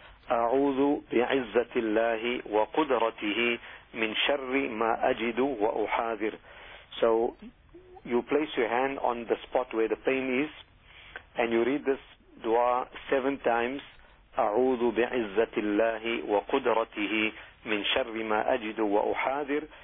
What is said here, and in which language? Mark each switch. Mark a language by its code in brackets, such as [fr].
[ar] أعوذ بعزة الله وقدرته من شر ما أجد وأحاذر. [en] So you place your hand on the spot where the pain is and you read this dua 7 times. [ar] أعوذ بعزة الله وقدرته من شر ما أجد وأحاذر.